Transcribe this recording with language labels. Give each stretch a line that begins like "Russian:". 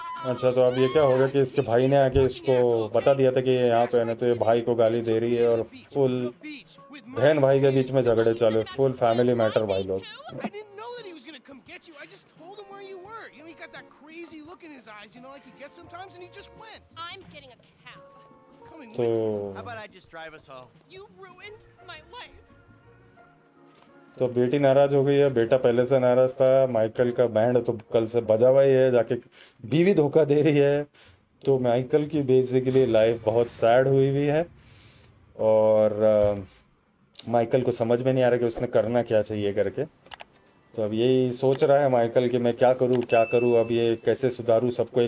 Hindi: अच्छा, तो अब ये क्या होगा कि इसके भाई ने आके इसको बता दिया था कि ये यहाँ पे है ना, तो ये भाई को गाली दे रही है और फुल बहन भाई के बीच में झगड़े चले, फुल फैमिली मैटर भाई लोग।
English: told him where you were. You know, he got that crazy look in his eyes, you know, like he gets sometimes, and he just went. I'm getting a cab. Coming with you. How about I just drive us home? You ruined my life.
Hindi: तो बेटी नाराज हो गई है, बेटा पहले से नाराज था, माइकल का बैंड तो कल से बजा हुआ ही है, जाके बीवी धोखा दे रही है, तो माइकल की बेसिकली लाइफ बहुत सैड हुई हुई है। और माइकल को समझ में नहीं आ रहा कि उसने करना क्या चाहिए करके, तो अब यही सोच रहा है माइकल कि मैं क्या करूँ क्या करूँ, अब ये कैसे सुधारूँ सबको।